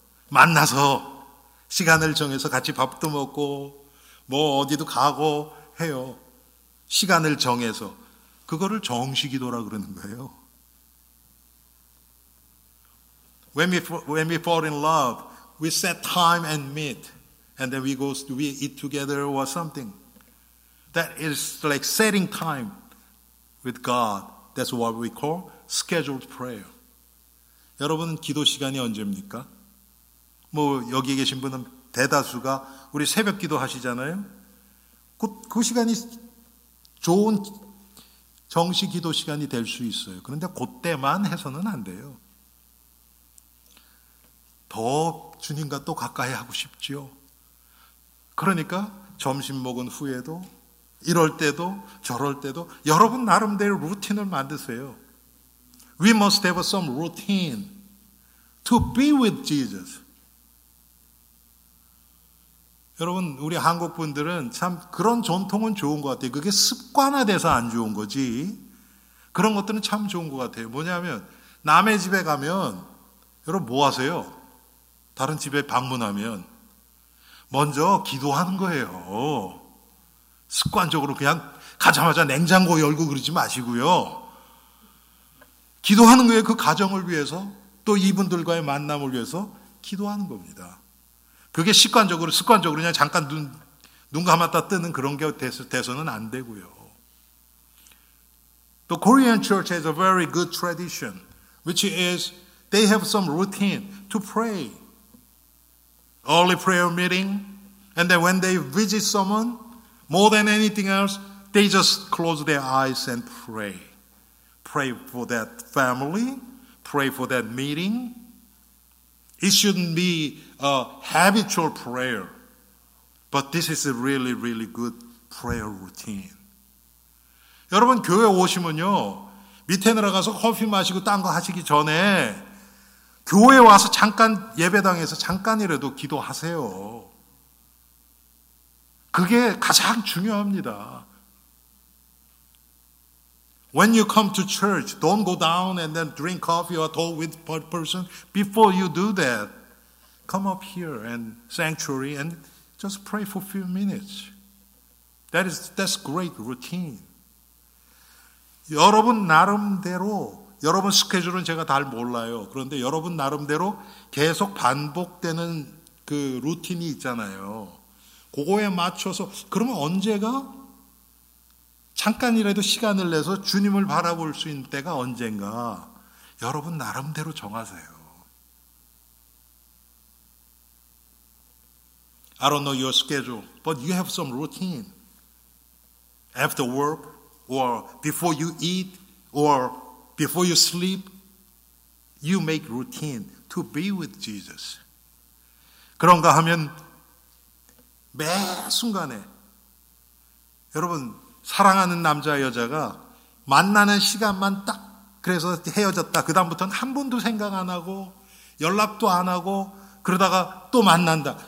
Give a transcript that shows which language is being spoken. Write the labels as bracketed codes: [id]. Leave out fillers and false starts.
[ko] 만나서 시간을 정해서 같이 밥도 먹고 뭐 어디도 가고 해요. 시간을 정해서 그거를 정시기도라 그러는 거예요. [en] When we fall in love, we set time and meet, and then we eat together or something. That is like setting time with God. That's what we call scheduled prayer. [ko] 여러분 기도 시간이 언제입니까? 뭐 여기 계신 분은 대다수가 우리 새벽 기도 하시잖아요. 그 시간이 좋은 정시 기도 시간이 될 수 있어요. 그런데 그때만 해서는 안 돼요. 더 주님과 또 가까이 하고 싶지요. 그러니까 점심 먹은 후에도 이럴 때도 저럴 때도 여러분 나름대로 루틴을 만드세요. [en] We must have some routine to be with Jesus. [ko] 여러분 우리 한국 분들은 참 그런 전통은 좋은 것 같아요. 그게 습관화돼서 안 좋은 거지. 그런 것들은 참 좋은 것 같아요. 뭐냐면 남의 집에 가면 여러분 뭐 하세요? 다른 집에 방문하면 먼저 기도하는 거예요. 습관적으로 그냥 가자마자 냉장고 열고 그러지 마시고요. 기도하는 거예요. 그 가정을 위해서 또 이분들과의 만남을 위해서 기도하는 겁니다. 그게 습관적으로 그냥 잠깐 눈 감았다 뜨는 그런 게 돼서는 안 되고요. [en] The Korean church has a very good tradition, which is they have some routine to pray. Early prayer meeting, and then when they visit someone, more than anything else, they just close their eyes and pray. Pray for that family, pray for that meeting. It shouldn't be a habitual prayer, but this is a really, really good prayer routine. [ko] 여러분 교회 오시면요 밑에 내려가서 커피 마시고 딴 거 하시기 전에 교회 와서 잠깐 예배당에서 잠깐이라도 기도하세요. 그게 가장 중요합니다. [en] When you come to church, don't go down and then drink coffee or talk with a person. Before you do that, come up here and sanctuary and just pray for a few minutes. That's great routine. [ko] 여러분 나름대로, 여러분 스케줄은 제가 잘 몰라요. 그런데 여러분 나름대로 계속 반복되는 그 루틴이 있잖아요. 그거에 맞춰서, 그러면 언제가 잠깐이라도 시간을 내서 주님을 바라볼 수 있는 때가 언젠가 여러분 나름대로 정하세요. [en] I don't know your schedule, but you have some routine. After work, or before you eat, or before you sleep, you make routine to be with Jesus. [ko] 그런가 하면 매 순간에 여러분 사랑하는 남자 여자가 만나는 시간만 딱 그래서 헤어졌다. 그 다음부터는 한 번도 생각 안 하고 연락도 안 하고 그러다가 또 만난다.